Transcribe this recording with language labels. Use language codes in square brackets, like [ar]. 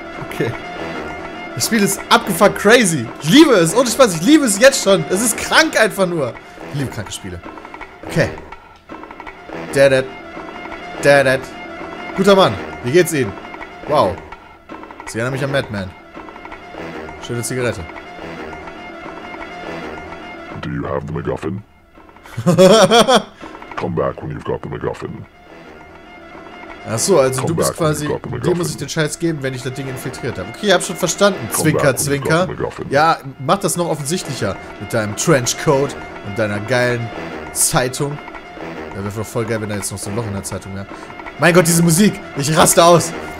[de] Okay. Das Spiel ist abgefuckt crazy. Ich liebe es, ohne Spaß, ich liebe es jetzt schon. Es ist krank einfach nur. Ich liebe kranke Spiele. Okay. Dadad. Dadad. Guter Mann, wie geht's Ihnen? Wow. Sie erinnern mich an Madman. Schöne Zigarette. [en] Do you have the MacGuffin? Come back when you've got the MacGuffin. [de] Achso, also come du bist quasi... Dem muss ich den Scheiß geben, wenn ich das Ding infiltriert habe. Okay, ich hab schon verstanden, come Zwinker, Zwinker. Ja, mach das noch offensichtlicher. Mit deinem Trenchcoat und deiner geilen Zeitung. Ja, wäre voll geil, wenn da jetzt noch so ein Loch in der Zeitung wäre. Mein Gott, diese Musik! Ich raste aus!